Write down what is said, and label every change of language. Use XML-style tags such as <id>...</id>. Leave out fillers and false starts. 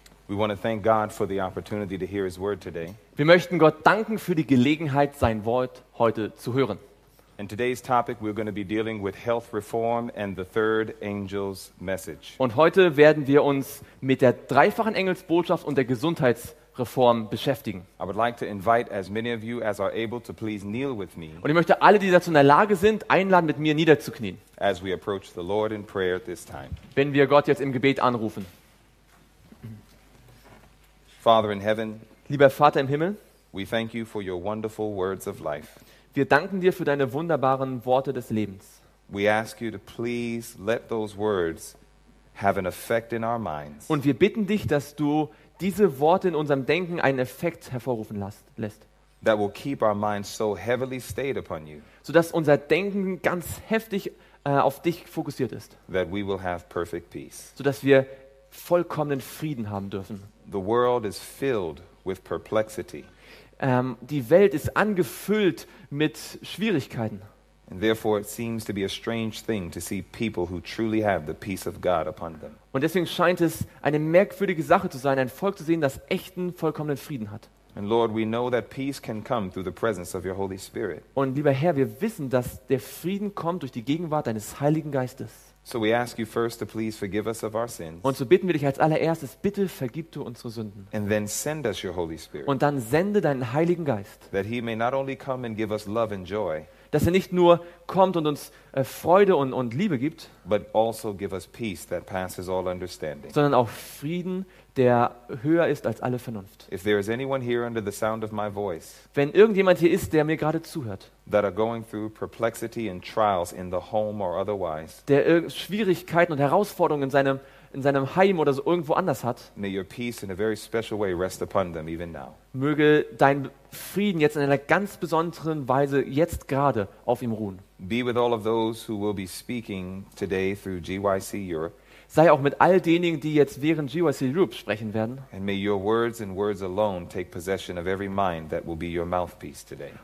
<en>We want to thank God for the opportunity to hear his word today.</en> <de>Wir möchten Gott danken für die Gelegenheit, sein Wort heute zu hören.</de> <en>In today's topic we're going to be dealing with health reform and the third angel's message.</en> <de>Und heute werden wir uns mit der dreifachen Engelsbotschaft und der Gesundheitsreform beschäftigen.</de> <en>I would like to invite as many of you as are able to please kneel with me.</en> <de>Und ich möchte alle, die dazu in der Lage sind, einladen, mit mir niederzuknien.</de> <en>As we approach the Lord in prayer this time.</en> <de>Wenn wir Gott jetzt im Gebet anrufen.</de> <en>Father in heaven,</en> <de>lieber Vater im Himmel,</de> <en>we thank you for your wonderful words of life.</en> <de>Wir danken dir für deine wunderbaren Worte des Lebens.</de> <en>We ask you to please let those words have an effect in our minds.</en> <de>Und wir bitten dich, dass du diese Worte in unserem Denken einen Effekt hervorrufen lässt.</de> <en>That will keep our minds so heavily stayed upon you.</en> <de>Sodass unser Denken ganz heftig auf dich fokussiert ist.</de> <en>That we will have perfect peace.</en> <de>Sodass wir vollkommenen Frieden haben dürfen.</de> <en>The world is filled with perplexity.</en> <de>Die Welt ist angefüllt mit Schwierigkeiten.</de> <en>And therefore it seems to be a strange thing to see people who truly have the peace of God upon them.</en> <de>Und deswegen scheint es eine merkwürdige Sache zu sein, ein Volk zu sehen, das echten vollkommenen Frieden hat.</de> <en>And Lord, we know that peace can come through the presence of your Holy Spirit.</en> <de>Und lieber Herr, wir wissen, dass der Frieden kommt durch die Gegenwart deines Heiligen Geistes.</de> <en>So we ask you first to please forgive us of our sins.</en> <de>Und so bitten wir dich als allererstes, bitte vergib du unsere Sünden.</de> <en>And then send us your Holy Spirit.</en> <de>Und dann sende deinen Heiligen Geist.</de> <en>That he may not only come and give us love and joy.</en> <de>Dass er nicht nur kommt und uns Freude und Liebe gibt,</de> <en>but also give us peace that passes all understanding.</en> <de>Sondern auch Frieden, der höher ist als alle Vernunft.</de> <en>If there is anyone here under the sound of my voice.</en> <de>Wenn irgendjemand hier ist, der mir gerade zuhört.</de> <en>That are going through perplexity and trials in the home or otherwise.</en> <de>Der Schwierigkeiten und Herausforderungen in seinem Heim oder so irgendwo anders hat.</de> <en>May your peace in a very special way rest upon them even now.</en> <de>Möge dein Frieden jetzt in einer ganz besonderen Weise jetzt gerade auf ihm ruhen.</de> <en>Be with all of those who will be speaking today through GYC Europe.</en> <de>Sei auch mit all denjenigen, die jetzt während GYC Europe sprechen werden.</de> <en>And may your words and words alone take possession of every mind that will be your mouthpiece today.</en>